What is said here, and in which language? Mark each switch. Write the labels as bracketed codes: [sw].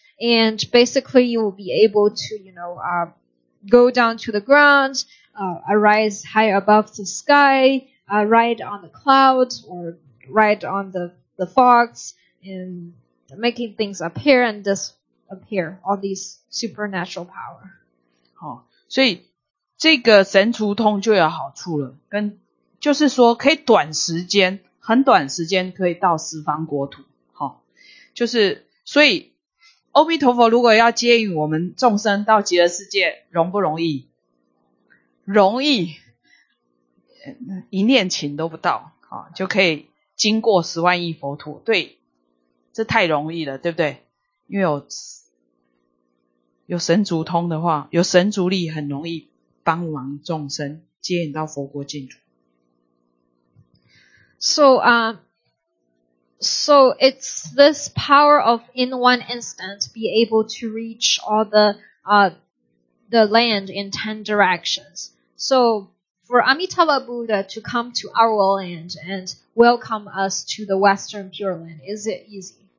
[en] And basically you will be able to, you know, go down to the ground, arise high above the sky, ride on the clouds or ride on the fogs, and making things appear and disappear, all these supernatural power. [zh] 好，所以这个神足通就有好处了，跟就是说可以短时间，很短时间可以到十方国土。好，就是所以阿弥陀佛如果要接引我们众生到极乐世界，容不容易？容易，一念情都不到，就可以经过十万亿佛土。对，这太容易了，对不对？因为有神足通的话，有神足力，很容易帮忙众生接引到佛国净土。 [en] So it's this power of in one instant be able to reach all the land in 10 directions. So for Amitabha Buddha to come to our land and welcome us to the Western Pure Land, is it easy?